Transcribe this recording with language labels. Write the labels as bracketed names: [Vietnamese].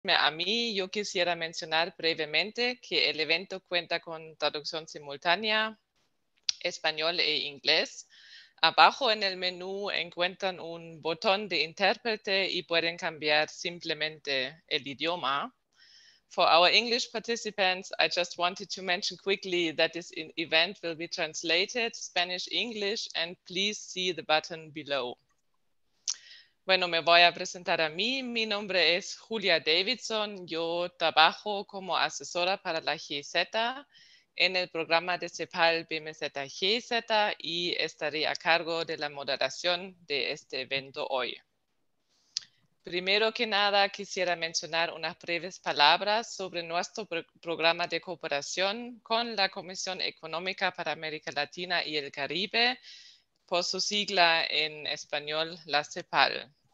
[Spanish] A mí yo quisiera mencionar brevemente que el evento cuenta con traducción simultánea, español e inglés. Abajo en el menú encuentran un botón de intérprete y pueden cambiar simplemente el idioma. [English] For our English participants, I just wanted to mention quickly that this event will be translated Spanish-English and please see the button below. [Spanish] Bueno, me voy a presentar a mí. Mi nombre es Julia Davidson. Yo trabajo como asesora para la GIZ en el programa de CEPAL BMZ-GIZ y estaré a cargo de la moderación de este evento hoy. Primero que nada, quisiera mencionar unas breves palabras sobre nuestro programa de cooperación con la Comisión Económica para América Latina y el Caribe, por su sigla en español, la CEPAL.